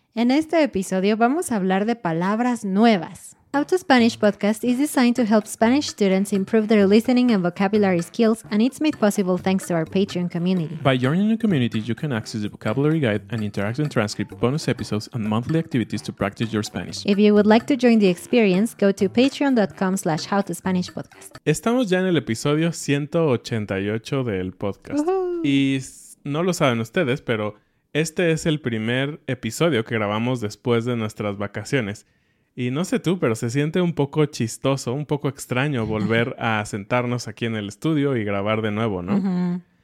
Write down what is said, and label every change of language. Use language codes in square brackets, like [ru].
[es] En este episodio vamos a hablar de palabras nuevas. [en] How to Spanish Podcast is designed to help Spanish students improve their listening and vocabulary skills, and it's made possible thanks to our Patreon community. By joining the community, you can access the vocabulary guide, an interactive transcript, bonus episodes, and monthly activities to practice your Spanish. If you would like to join the experience, go to patreon.com/howtospanishpodcast. [es] Estamos ya en el episodio 188 del podcast. Uh-huh. Y no lo saben ustedes, pero este es el primer episodio que grabamos después de nuestras vacaciones. Y no sé tú, pero se siente un poco chistoso, un poco extraño volver a sentarnos aquí en el estudio y grabar de nuevo, ¿no? Uh-huh.